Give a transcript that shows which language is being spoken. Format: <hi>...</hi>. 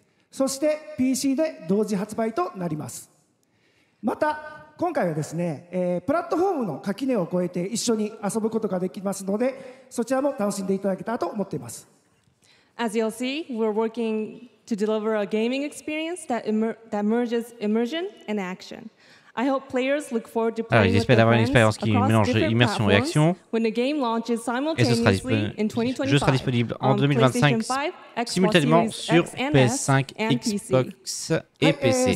<ja>そして PC で同時発売となります。また今回はですね、プラットフォームの垣根を越えて一緒に遊ぶことができますので、そちらも楽しんでいただけたらと思っています。</ja> <en>As you'll see, we're working to deliver a gaming experience that merges immersion and action. I hope players look forward to playing with their friends across different platforms when the game launches simultaneously in 2025.</en> <fr>Je serai disponible en 2025 simultanément sur PS5, Xbox et PC.</fr>